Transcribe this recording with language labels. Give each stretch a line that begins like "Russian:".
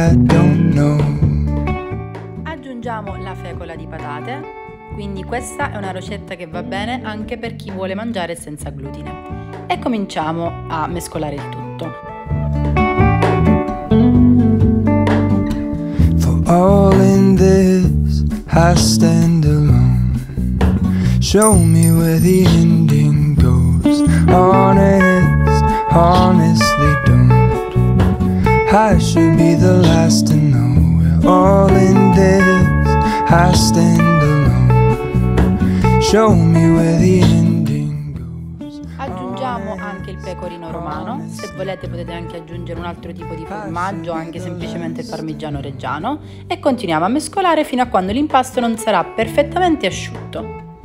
Italian: Aggiungiamo la fecola di patate, quindi questa è una ricetta che va bene anche per chi vuole mangiare senza glutine. E cominciamo a mescolare il tutto.
English: All in this, I stand alone. Show me where the ending goes. Honestly, don't. I should be the last to know. All in this, I stand alone. Show me where the ending goes.
Italian: Aggiungiamo anche il pecorino romano. Se volete potete anche aggiungere un altro tipo di formaggio, anche semplicemente il parmigiano reggiano, e continuiamo a mescolare fino a quando l'impasto non sarà perfettamente asciutto.